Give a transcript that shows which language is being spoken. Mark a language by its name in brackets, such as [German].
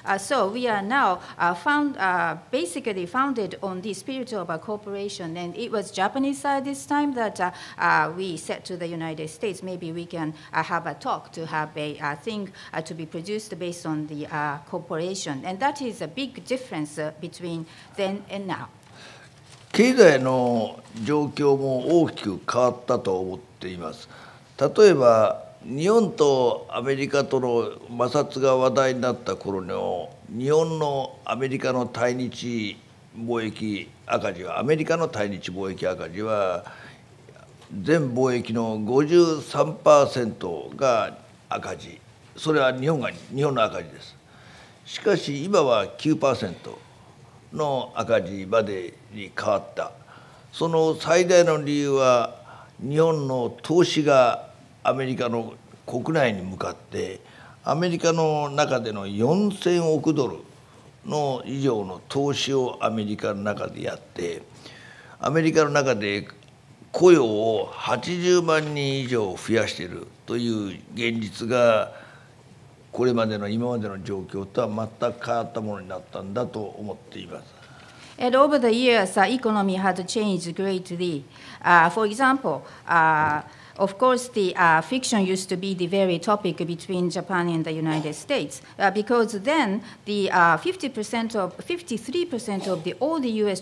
[English] So we are now basically founded on the spirit of cooperation, and it was Japanese side this time that we said to the United States, maybe we can have a talk to have a thing to be produced based on the cooperation. And that is a big difference between then and now. [Japanese] 経済の状況も大きく変わったと思っています。例えば、日本とアメリカとの摩擦が話題になった頃の日本のアメリカの対日貿易赤字は、アメリカの対日貿易赤字は、全貿易の 53% が赤字、それは日本の赤字です。しかし今は 9% の赤字までに変わった。その最大の理由は日本の投資がアメリカの国内に向かってアメリカの中での4000億ドルの以上の投資をアメリカの中でやってアメリカの中で雇用を80万人以上増やしているという現実がこれまでの今までの状況とは全く変わったものになったんだと思っています。 [English] And over the years, the economy had changed greatly. For example, of course, the friction used to be the very topic between Japan and the United States, because then the 53% of the all the U.S.